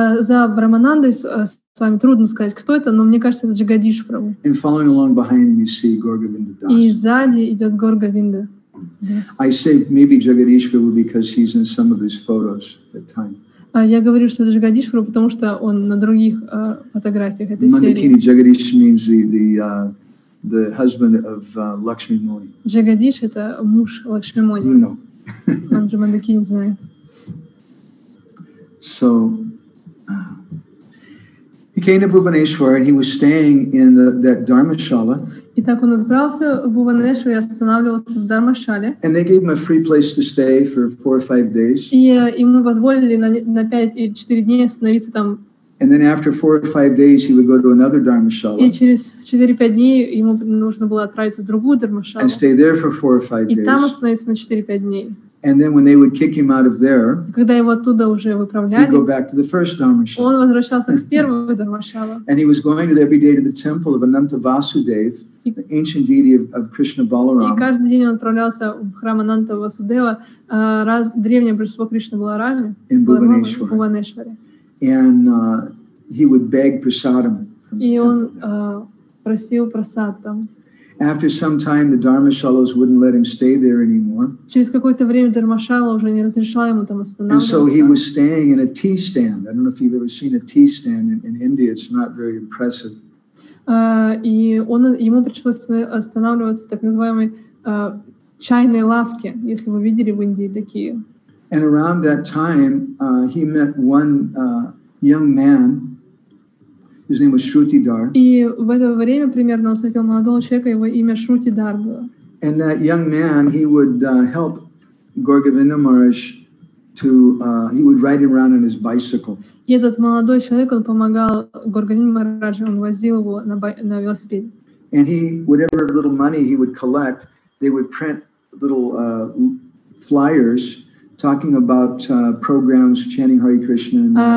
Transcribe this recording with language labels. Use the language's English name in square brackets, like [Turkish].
[Russian] За Брахманандой с вами трудно сказать, кто это, но мне кажется, это Джагадиш Прабху. [English] And following along behind him, you see Gaurgavinda Das. [Russian] И сзади идет Гаургавинда. [English] I say maybe Jagadish Prabhu because he's in some of his photos at time. [Russian] Я говорю, что это Джагадиш Прабху, потому что он на других фотографиях этой [English] Mandakini Mandakini Jagadish means the husband of Lakshmi Moni. [Russian] Джагадиш — это муж Лакшми Мони. [English] You know. [Russian] Он же Мандакини знает. [English] So He came to Bhubaneswar and he was staying in that dharmashala. [Russian] И так он отправился в Бхубанешвар и останавливался в Дармашале. [English] And they gave him a free place to stay for 4 or 5 days. [Russian] И ему позволили на 5 или 4 дня остановиться там. [English] And then after 4 or 5 days, he would go to another dharmashala. [Russian] И через 4-5 дней ему нужно было отправиться в другую дармашалу. [English] And stay there for 4 or 5 days. [Russian] И там остановиться на 4-5 дней. [English] And then when they would kick him out of there, [Russian] когда его оттуда уже выправляли, [English] he'd go back to the first dharmashala. [Russian] Он возвращался в первую дармашалу. [English] And he was going every day to the temple of Ananta Vasudev, the ancient deity of Krishna Balaram. [Russian] И каждый день он отправлялся в храм Ананта Васудева, раз древнее божество Кришны Баларамы, [English] in Bhubaneswar. And he would beg prasadam. [Russian] И он просил прасад там. [English] After some time, the dharmashalas wouldn't let him stay there anymore. [Russian] Через какое-то время дармашала уже не разрешала ему там останавливаться. [English] And so he was staying in a tea stand. I don't know if you've ever seen a tea stand in India. It's not very impressive. [Russian] И он ему пришлось останавливаться в так называемой чайной лавке, если вы видели в Индии такие. [English] And around that time, he met one young man. His name was Shrutidhar. [Russian] И в это время примерно он встретил молодого человека, его имя Шрутидар было. [English] And that young man, he would help Gorgavinda Maharaj to he would ride around on his bicycle. [Russian] И этот молодой человек, он помогал Гургавинде Махараджу, он возил его на велосипеде. [English] And he, whatever little money he would collect, they would print little flyers talking about programs, chanting Hare Krishna.